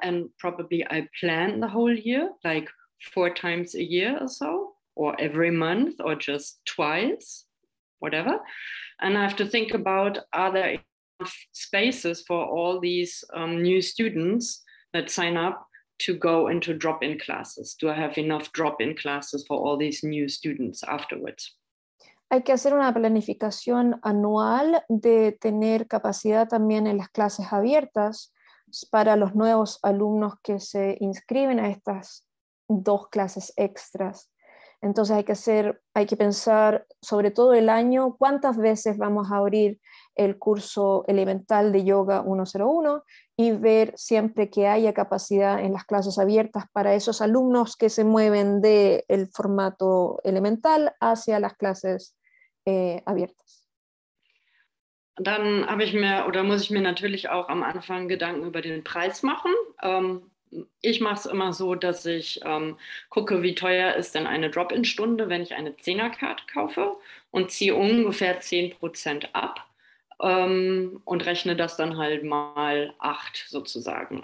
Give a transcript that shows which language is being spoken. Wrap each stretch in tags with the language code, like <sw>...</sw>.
<en>And probably I plan the whole year, like 4 times a year or so, or every month, or just twice, whatever. And I have to think about, are there enough spaces for all these new students that sign up to go into drop-in classes? Do I have enough drop-in classes for all these new students afterwards?</en> <es>Hay que hacer una planificación anual de tener capacidad también en las clases abiertas para los nuevos alumnos que se inscriben a estas 2 clases extras. Entonces hay que pensar sobre todo el año cuántas veces vamos a abrir el curso elemental de Yoga 101 y ver siempre que haya capacidad en las clases abiertas para esos alumnos que se mueven del formato elemental hacia las clases abiertas.</es> <de>Dann habe ich mir oder muss ich mir natürlich auch am Anfang Gedanken über den Preis machen. Ich mache es immer so, dass ich gucke, wie teuer ist denn eine Drop-in-Stunde, wenn ich eine 10er-Karte kaufe und ziehe ungefähr 10% ab und rechne das dann halt mal 8 sozusagen.</de>